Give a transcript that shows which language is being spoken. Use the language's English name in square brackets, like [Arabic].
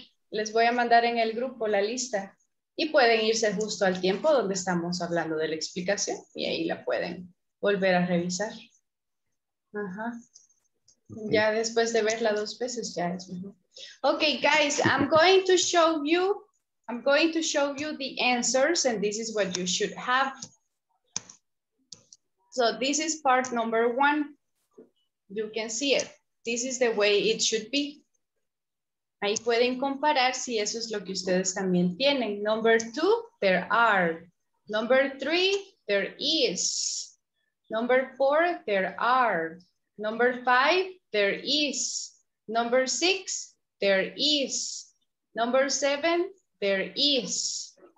[Spanish] Les voy a mandar en el grupo la lista y pueden irse justo al tiempo donde estamos hablando de la explicación y ahí la pueden volver a revisar. Uh-huh. Okay. Ya después de verla dos veces ya es mejor. [English] Okay, guys, I'm going to show you the answers, and this is what you should have. So this is part number one. You can see it. this is the way it should be. [Spanish] Ahí pueden comparar si eso es lo que ustedes también tienen. [English] Number two, there are. Number three, there is. Number four, there are. Number five, there is. Number six, there is. Number seven, there is.